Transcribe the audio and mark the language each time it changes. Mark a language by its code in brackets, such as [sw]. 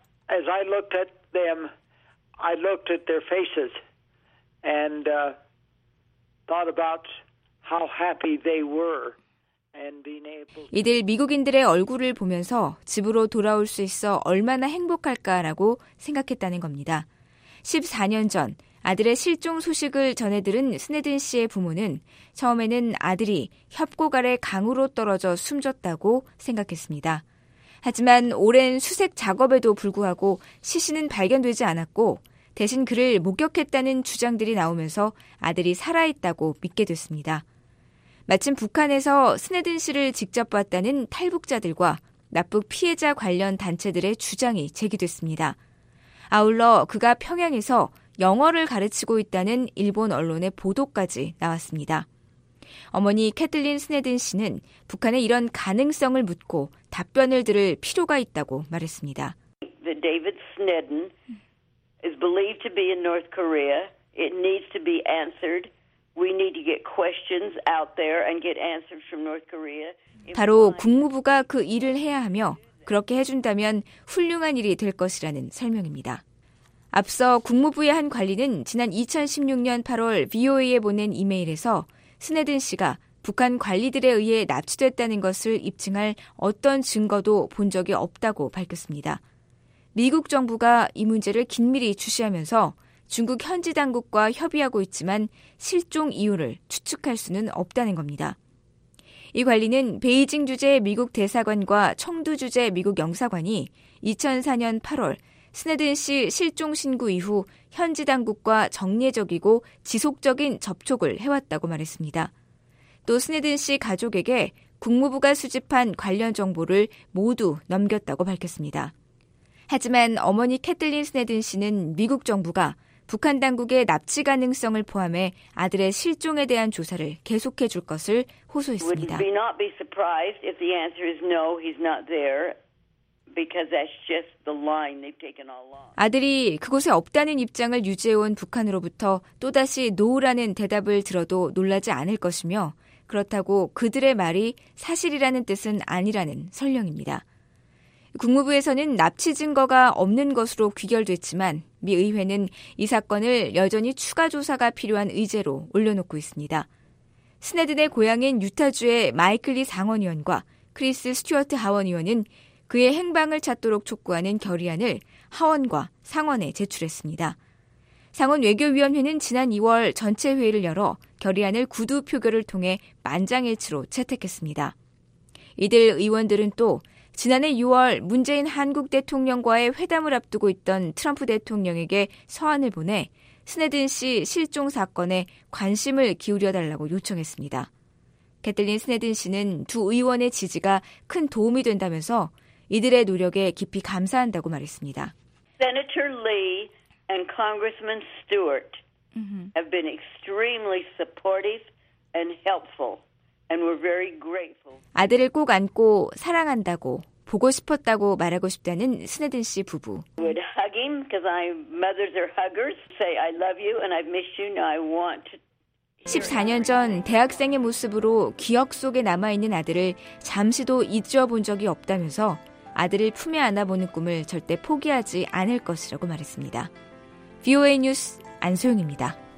[en] As I looked at them, I looked at their faces and thought about how happy they were and being able. [ko] 이들 미국인들의 얼굴을 보면서 집으로 돌아올 수 있어 얼마나 행복할까라고 생각했다는 겁니다. 14년 전 아들의 실종 소식을 전해 들은 스네든 씨의 부모는 처음에는 아들이 협곡 아래 강으로 떨어져 숨졌다고 생각했습니다. 하지만 오랜 수색 작업에도 불구하고 시신은 발견되지 않았고 대신 그를 목격했다는 주장들이 나오면서 아들이 살아있다고 믿게 됐습니다. 마침 북한에서 스네든 씨를 직접 봤다는 탈북자들과 납북 피해자 관련 단체들의 주장이 제기됐습니다. 아울러 그가 평양에서 영어를 가르치고 있다는 일본 언론의 보도까지 나왔습니다. 어머니 캐틀린 스네든 씨는 북한의 이런 가능성을 묻고 답변을 들을 필요가 있다고 말했습니다. [en] The David Sneden is believed to be in North Korea. It needs to be answered. We need to get questions out there and get answers from North Korea. [ko] 바로 국무부가 그 일을 해야 하며 그렇게 해준다면 훌륭한 일이 될 것이라는 설명입니다. 앞서 국무부의 한 관리는 지난 2016년 8월 VOA에 보낸 이메일에서 스네든 씨가 북한 관리들에 의해 납치됐다는 것을 입증할 어떤 증거도 본 적이 없다고 밝혔습니다. 미국 정부가 이 문제를 긴밀히 주시하면서 중국 현지 당국과 협의하고 있지만 실종 이유를 추측할 수는 없다는 겁니다. 이 관리는 베이징 주재 미국 대사관과 청두 주재 미국 영사관이 2004년 8월 스네든 씨 실종 신고 이후 현지 당국과 정례적이고 지속적인 접촉을 해왔다고 말했습니다. 또 스네든 씨 가족에게 국무부가 수집한 관련 정보를 모두 넘겼다고 밝혔습니다. 하지만 어머니 캐틀린 스네든 씨는 미국 정부가 북한 당국의 납치 가능성을 포함해 아들의 실종에 대한 조사를 계속해 줄 것을 호소했습니다. [en] Would not be surprised if the answer is no, he's not there. Because that's just the line they've taken all along. [ko] 아들이 그곳에 없다는 입장을 유지해온 북한으로부터 또다시 노라는 대답을 들어도 놀라지 않을 것이며 그렇다고 그들의 말이 사실이라는 뜻은 아니라는 설명입니다. 국무부에서는 납치 증거가 없는 것으로 귀결됐지만 미 의회는 이 사건을 여전히 추가 조사가 필요한 의제로 올려놓고 있습니다. 스네든의 고향인 유타주의 마이클리 상원의원과 크리스 스튜어트 하원의원은 그의 행방을 찾도록 촉구하는 결의안을 하원과 상원에 제출했습니다. 상원 외교위원회는 지난 2월 전체 회의를 열어 결의안을 구두 표결을 통해 만장일치로 채택했습니다. 이들 의원들은 또 지난해 6월 문재인 한국 대통령과의 회담을 앞두고 있던 트럼프 대통령에게 서한을 보내 스네든 씨 실종 사건에 관심을 기울여달라고 요청했습니다. 캐틀린 스네든 씨는 두 의원의 지지가 큰 도움이 된다면서 이들의 노력에 깊이 감사한다고 말했습니다. [en] Senator Lee and Congressman Stewart have been extremely supportive and helpful, and we're very grateful. [ko] 아들을 꼭 안고 사랑한다고 보고 싶었다고 말하고 싶다는 스네든 씨 부부. [en] Would hug him because I mothers are huggers. Say I love you and I've missed you. Now I want to. [ko] 14년 전 대학생의 모습으로 기억 속에 남아 있는 아들을 잠시도 잊어본 적이 없다면서. 아들을 품에 안아보는 꿈을 절대 포기하지 않을 것이라고 말했습니다. VOA 뉴스 안소영입니다.